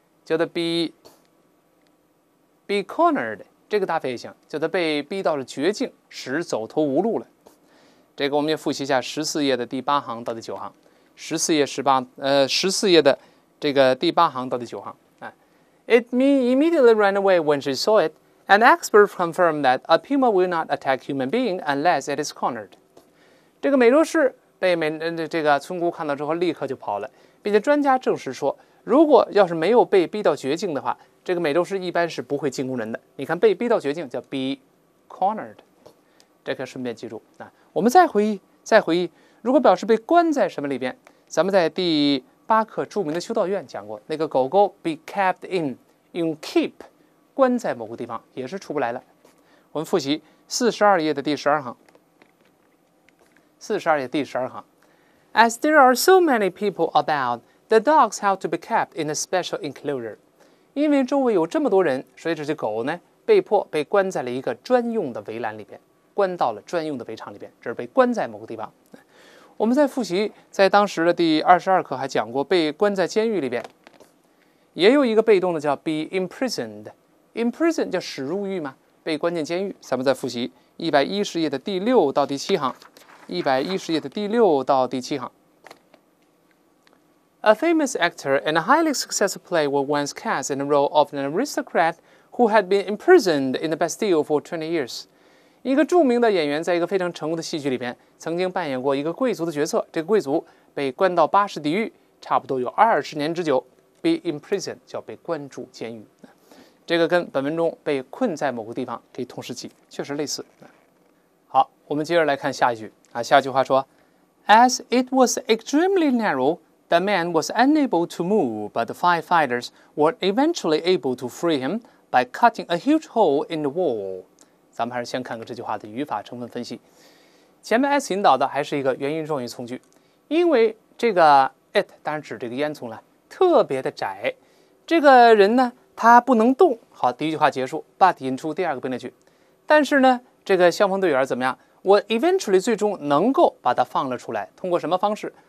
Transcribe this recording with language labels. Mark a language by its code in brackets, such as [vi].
[zh] 叫做 [en] be cornered。 [zh] 这个搭配也行，叫他被逼到了绝境，使走投无路了。这个我们也复习一下14页的第8行到第9行，14页的这个第8行到第9行。 [en] It immediately ran away when she saw it, and experts confirm that a puma will not attack human being unless it is cornered. [zh] 这个美洲狮被这个村姑看到之后立刻就跑了，并且专家证实说，如果要是没有被逼到绝境的话，这个美洲狮一般是不会进攻人的。你看被逼到绝境叫 [en] be cornered， [zh] 这可顺便记住。我们再回忆，如果表示被关在什么里边，咱们在第8课著名的修道院讲过，那个狗狗 [en] be kept in， [zh] 用 keep 关在某个地方也是出不来了。我们复习42页的第12行，42页第12行。 [en] As there are so many people about, the dogs have to be kept in a special enclosure. [zh] 因为周围有这么多人，所以这些狗呢被迫被关在了一个专用的围栏里边，关到了专用的围场里边，这是被关在某个地方。我们在复习在当时的第22课还讲过，被关在监狱里边也有一个被动的叫 [en] be imprisoned， [zh] imprisoned 叫驶入狱吗，被关进监狱。咱们再复习110页的第6到第7行，110页的第6到第7行。 [en] A famous actor and a highly successful play were once cast in the role of an aristocrat who had been imprisoned in the Bastille for 20 years. [zh] 一个著名的演员在一个非常成功的戏剧里边曾经扮演过一个贵族的角色，这个贵族被关到巴士底狱差不多有20年之久。 [en] Be imprisoned [zh] 叫被关住监狱，这个跟本文中被困在某个地方可以同时记，确实类似。好，我们接着来看下一句，下一句话说， [en] As it was extremely narrow, the man was unable to move, but the firefighters were eventually able to free him by cutting a huge hole in the wall. [zh] 咱们还是先看看这句话的语法成分分析。前面 as 引导的还是一个原因状语从句，因为这个 it 当然指这个烟囱了，特别的窄，这个人呢他不能动。好，第一句话结束， but 引出第二个并列句，但是呢这个消防队员怎么样，我 eventually 最终能够把它放了出来，通过什么方式？